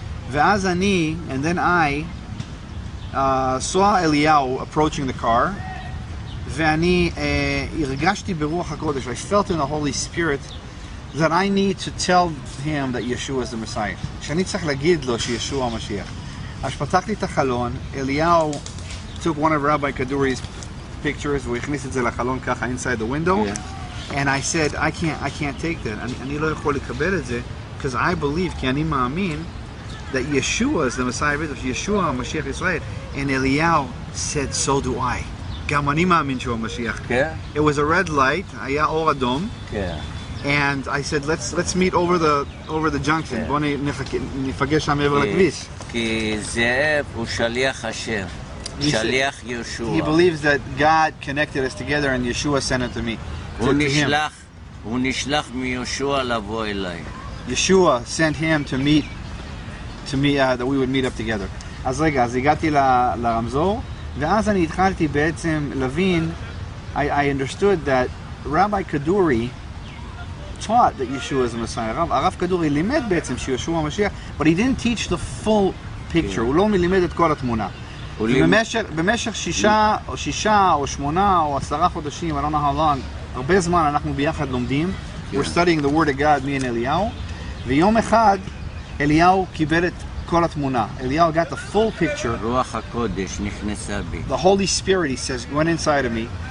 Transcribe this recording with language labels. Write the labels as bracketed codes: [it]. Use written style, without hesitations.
[he] ואז אני, [en] and then I, saw Eliyahu approaching the car, [he] ואני הרגשתי ברוח הקודש. [en] I felt in the Holy Spirit that I need to tell him that Yeshua is the Messiah. [he] שאני צריך להגיד לו שישוע המשיח. אז פתחתי את החלון, [en] אליהו took one of Rabbi Kaduri's pictures, [he] והוא הכניס את זה לחלון ככה, [en] inside the window, and I said, I can't take that. [he] אני לא יכול לקבל את זה, [en] because I believe, [he] כי אני מאמין, [en] that Yeshua is the Messiah of Israel, [he] Yeshua המשיח ישראל. And אליהו said, [en] so do I. [he] גם אני מאמין שהוא המשיח. [en] It was a red light, [he] היה אור אדום. כן. [en] And I said, let's meet over the junction. [he] בוא נפגש שם עבר לכביש. כי זאב הוא שליח השם, שליח ישוע. [en] He believes that God connected us together and Yeshua sent it to me. [he] הוא נשלח מישוע לבוא אליי. [en] Yeshua sent him to me, that we would meet up together. [he] אז רגע, אז הגעתי לרמזור, ואז אני התחלתי בעצם להבין, [en] I understood that Rabbi Kaduri taught that Yeshua is the Messiah. [he] הרב כדורי לימד בעצם שישוע המשיח, [en] but he didn't teach the full picture. [he] הוא לא מלימד את כל התמונה. במשך שישה או שמונה או עשרה חודשים, [en] I don't know how long, [he] הרבה זמן אנחנו ביחד לומדים. [en] We're studying the word of God, me and Eliyahu. [he] ויום אחד, Eliyahu קיבל את כל התמונה. [en] Eliyahu got the full picture. [he] רוח הקודש נכנסה בי. [en] The Holy Spirit, he says, went inside of me.